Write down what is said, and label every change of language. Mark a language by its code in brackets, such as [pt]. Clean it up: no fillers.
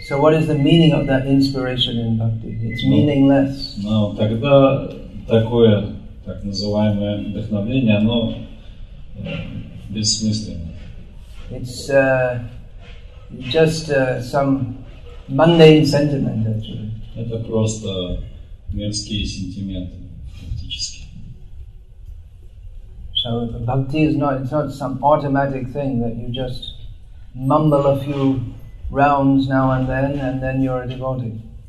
[en] So what is the meaning of that inspiration in bhakti? It's meaningless. [ru] Но тогда такое так называемое вдохновение, оно бессмысленно. [en] It's just some mundane sentiment, actually. [ru] Это просто мирские сентименты, фактически. [en] So bhakti is not—it's not some automatic thing that you just mumble a few rounds now and then you're a devotee.